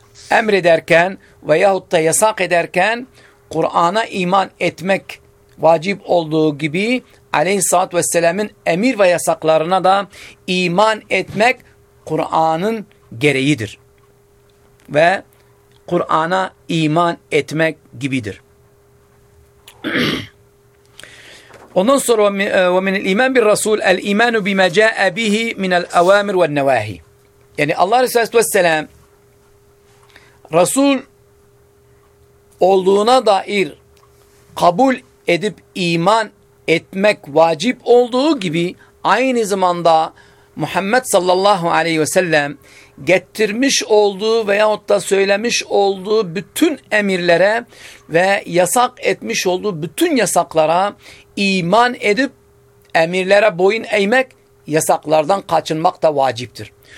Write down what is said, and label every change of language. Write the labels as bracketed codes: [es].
[tr] emrederken veyahut da yasak ederken Kur'an'a iman etmek vacip olduğu gibi Aleyhisselatü Vesselam'ın emir ve yasaklarına da iman etmek Kur'an'ın gereğidir. Ve Kur'an'a iman etmek gibidir. Ondan sonra [ar] وَمِنِ الْاِيمَانِ بِالرَّسُولِ الْاِيمَانُ بِمَا جَاءَ بِهِ مِنَ الْاَوَامِرِ وَالنَّوَاهِ. [tr] Yani Allah Resulü Aleyhisselatü Vesselam Resul olduğuna dair kabul edip iman etmek vacip olduğu gibi aynı zamanda Muhammed sallallahu aleyhi ve sellem getirmiş olduğu veyahut da söylemiş olduğu bütün emirlere ve yasak etmiş olduğu bütün yasaklara iman edip emirlere boyun eğmek, yasaklardan kaçınmak da vaciptir.